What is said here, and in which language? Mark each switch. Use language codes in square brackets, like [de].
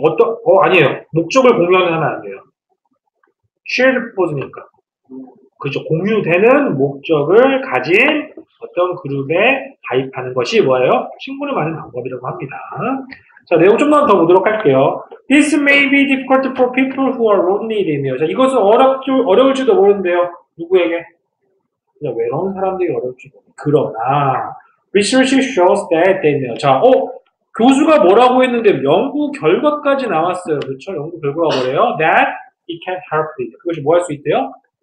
[ko] 어떤, 아니에요. 목적을 공유하는 하나 아니에요. [en] shared purpose [ko] 니까. 그렇죠. 공유되는 목적을 가진 어떤 그룹에 가입하는 것이 뭐예요? 친분을 만드는 방법이라고 합니다. 자, 내용 좀만 더 보도록 할게요. [en] This may be difficult for people who are lonely이며. [ko] 자, 이것은 어려울지도 모르는데요. 누구에게? 그냥 외로운 사람들이 어렵지. 그러나, [en] research shows that [ko] 됐네요. 자, 교수가 뭐라고 했는데, 연구 결과까지 나왔어요. 그렇죠? 연구 결과가 뭐래요? [en] That it can help it. [ko] 그것이 뭐할수 있대요?